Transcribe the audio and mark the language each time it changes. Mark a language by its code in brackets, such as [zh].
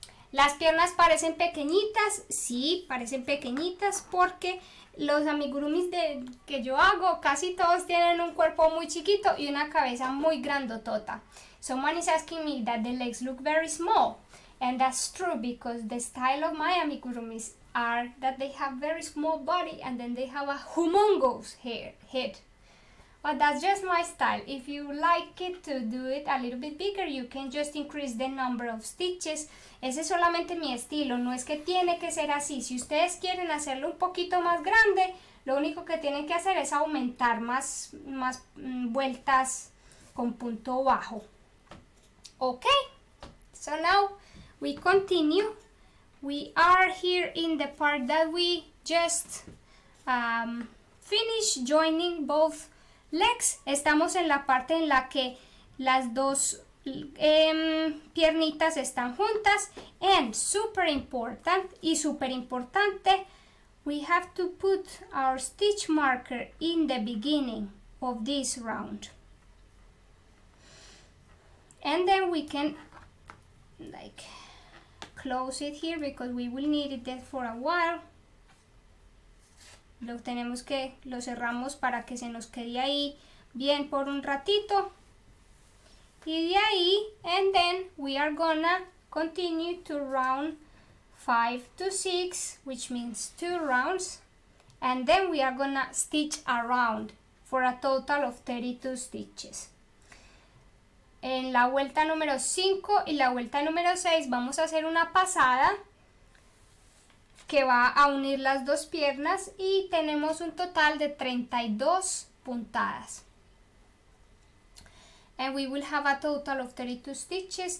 [es] Las piernas parecen pequeñitas, sí, parecen pequeñitas porque los amigurumis que yo hago, casi todos tienen un cuerpo muy chiquito y una cabeza muy grandotota. [en] Someone is asking me that the legs look very small, and that's true because the style of my amigurumis are that they have very small body and then they have a humongous head. But that's just my style. If you like it to do it a little bit bigger, you can just increase the number of stitches. [es] Ese es solamente mi estilo, no es que tiene que ser así. Si ustedes quieren hacerlo un poquito más grande, Lo único que tienen que hacer es aumentar más vueltas con punto bajo. [en] Ok, so now we continue. We are here in the part that we just finish joining both legs. [es] Estamos en la parte en la que las dos piernitas están juntas. [en] And super important, [es] y super importante, [en] we have to put our stitch marker in the beginning of this round. And then we can like close it here because we will need it there for a while. [es] Lo tenemos que, lo cerramos para que se nos quede ahí bien por un ratito. Y de ahí, [en] and then we are gonna continue to round 5 to 6, which means 2 rounds. And then we are gonna stitch around for a total of 32 stitches. [es] En la vuelta número 5 y la vuelta número 6 vamos a hacer una pasada que va a unir las dos piernas y tenemos un total de 32 puntadas. [en] And we will have a total of 32 stitches.